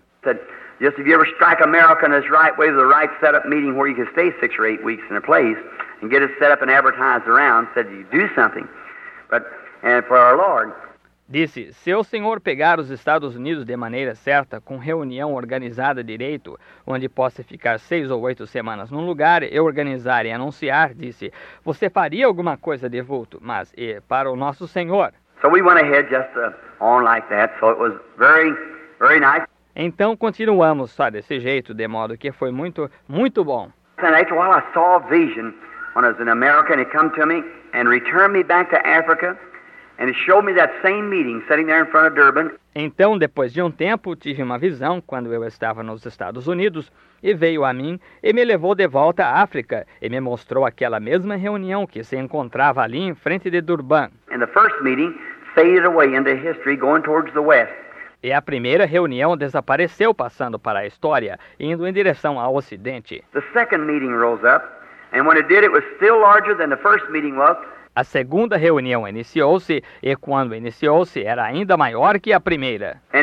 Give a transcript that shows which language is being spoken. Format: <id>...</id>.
<en>He said, just if you ever strike America in this right way, the right setup meeting where you can stay 6 or 8 weeks in a place and get it set up and advertised around, said you do something. But, and for our Lord...</en> <pt>Disse, se o senhor pegar os Estados Unidos de maneira certa, com reunião organizada direito, onde possa ficar 6 ou 8 semanas num lugar e organizar e anunciar, disse, você faria alguma coisa de vulto, mas e para o nosso senhor?</pt> <en>So we went ahead just on like that, so it was very, very nice.</en> <pt>Então continuamos só desse jeito, de modo que foi muito, muito bom.</pt> <en>And after a while I saw a vision when I was in America and it come to me and returned me back to Africa. And it showed me that same meeting, sitting there in front of Durban.</en> <pt>Então, depois de tempo, tive uma visão quando eu estava nos Estados Unidos e veio a mim e me levou de volta à África e me mostrou aquela mesma reunião que se encontrava ali em frente de Durban.</pt> <en>And the first meeting faded away into history, going towards the west.</en> <pt>E a primeira reunião desapareceu, passando para a história, indo em direção ao ocidente.</pt> <en>The second meeting rose up, and when it did, it was still larger than the first meeting was.</en> <pt>A segunda reunião iniciou-se, e quando iniciou-se, era ainda maior que a primeira.</pt>